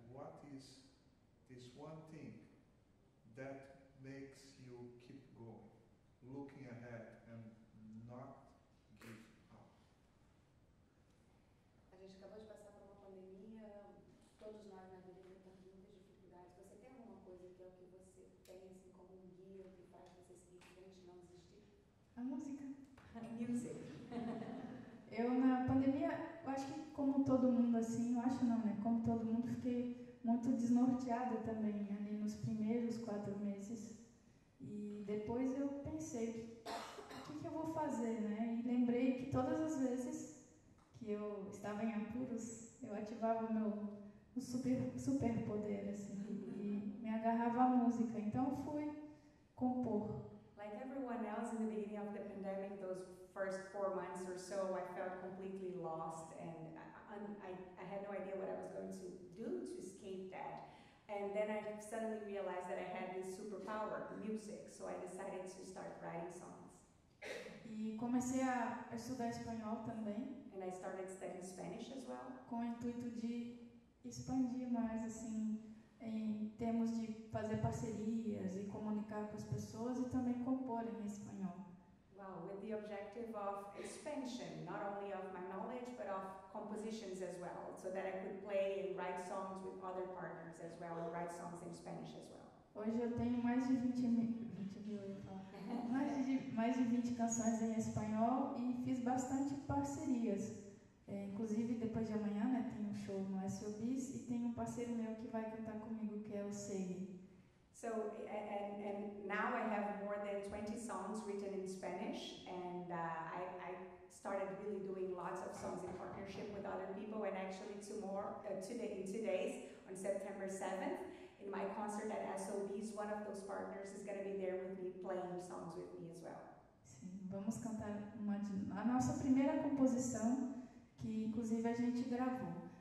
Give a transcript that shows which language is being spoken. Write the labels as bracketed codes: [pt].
[en] What is this one thing that makes you keep going, looking ahead and not give up? [pt] A gente acabou de passar por uma pandemia, todos nós na vida enfrentamos muitas dificuldades. Você tem alguma coisa que é o que você tem assim, como um guia que faz você seguir em frente e não desistir? A música. A música. Eu, na pandemia, eu acho que como todo mundo, assim, eu acho não, né? Como todo mundo, fiquei muito desnorteada também ali nos primeiros 4 meses. E depois eu pensei, o que eu vou fazer, né? E lembrei que todas as vezes que eu estava em apuros, eu ativava o meu super poder, assim, e me agarrava à música. Então, eu fui compor. [en] Like everyone else in the beginning of the pandemic, those first 4 months or so, I felt completely lost, and I had no idea what I was going to do to escape that. And then I suddenly realized that I had this superpower, music, so I decided to start writing songs. [pt] E comecei a estudar espanhol também. [en] And I started studying Spanish as well. [pt] Com o intuito de expandir mais, assim, em termos de fazer parcerias e comunicar com as pessoas e também compor em espanhol. [en] Wow, with the objective of expansion, not only of my knowledge, but of compositions as well, so that I could play and write songs with other partners as well, or write songs in Spanish as well. [pt] Hoje eu tenho mais de 20 canções em espanhol e fiz bastante parcerias. É, inclusive, depois de amanhã, né, tem um show no SOBs e tem um parceiro meu que vai cantar comigo, que é o Segui. [en] So, and now I have more than 20 songs written in Spanish, and I started really doing lots of songs in partnership with other people, and actually two days, on September 7th, in my concert at SOBs, one of those partners is going to be there with me, playing songs with me as well. [pt] Sim, vamos cantar a nossa primeira composição, que inclusive a gente gravou.